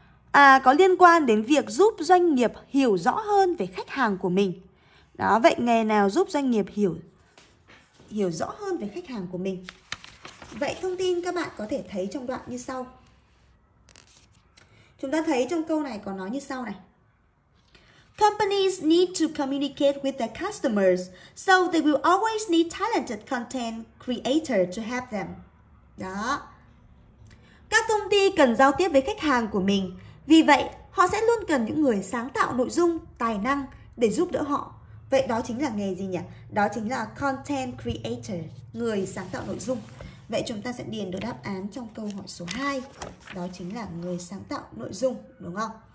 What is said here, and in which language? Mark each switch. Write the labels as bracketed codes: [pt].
[vi] À, có liên quan đến việc giúp doanh nghiệp hiểu rõ hơn về khách hàng của mình. Đó, vậy nghề nào giúp doanh nghiệp hiểu rõ hơn về khách hàng của mình? Vậy thông tin các bạn có thể thấy trong đoạn như sau. Chúng ta thấy trong câu này có nói như sau này. [en] Companies need to communicate with their customers, so they will always need talented content creator to help them. [vi] Đó. Các công ty cần giao tiếp với khách hàng của mình, vì vậy họ sẽ luôn cần những người sáng tạo nội dung, tài năng để giúp đỡ họ. Vậy đó chính là nghề gì nhỉ? Đó chính là content creator, người sáng tạo nội dung. Vậy chúng ta sẽ điền được đáp án trong câu hỏi số 2. Đó chính là người sáng tạo nội dung, đúng không?